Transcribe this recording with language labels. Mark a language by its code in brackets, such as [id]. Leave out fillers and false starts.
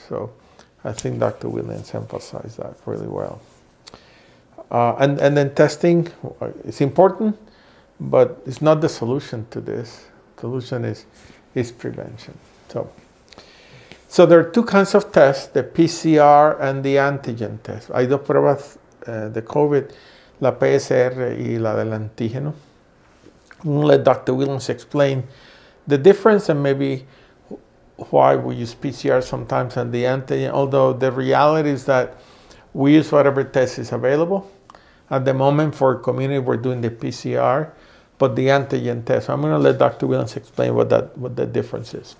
[en] So I think Dr. Williams emphasized that really well. And then testing is important, but it's not the solution to this. The solution is prevention. So there are two kinds of tests, the PCR and the antigen test. [es] Hay dos pruebas de COVID, la PCR y la del antígeno. [en] I'll let Dr. Williams explain the difference and maybe why we use PCR sometimes and the antigen, although the reality is that we use whatever test is available. At the moment for community, we're doing the PCR. But the antigen test. I'm going to let Dr. Williams explain what that difference is.